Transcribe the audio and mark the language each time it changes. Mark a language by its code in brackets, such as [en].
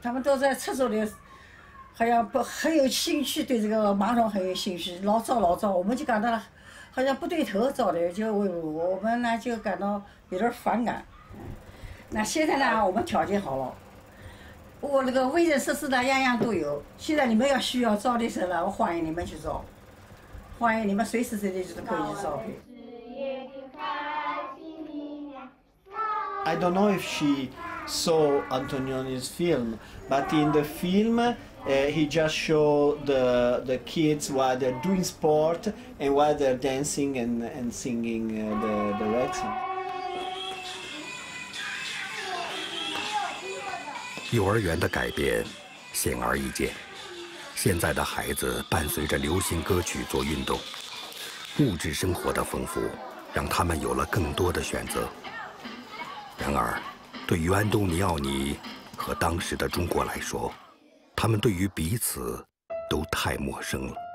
[zh] 他们都在厕所里，好像不很有兴趣，对这个马桶很有兴趣，老早老早，我们就感到好像不对头找的，就我们呢就感到有点反感。那现在呢，我们条件好了，我那个卫生设施呢样样都有。现在你们要需要招的时候呢，我欢迎你们去招，欢迎你们随时随地就是可以去招。 [en] I don't know if she saw Antonioni's film, but in the film, he just showed the kids while they're doing sport and while they're dancing and singing the red song. [zh] 幼儿园的改变显而易见，现在的孩子伴随着流行歌曲做运动，物质生活的丰富让他们有了更多的选择。然而，对于安东尼奥尼和当时的中国来说，他们对于彼此都太陌生了。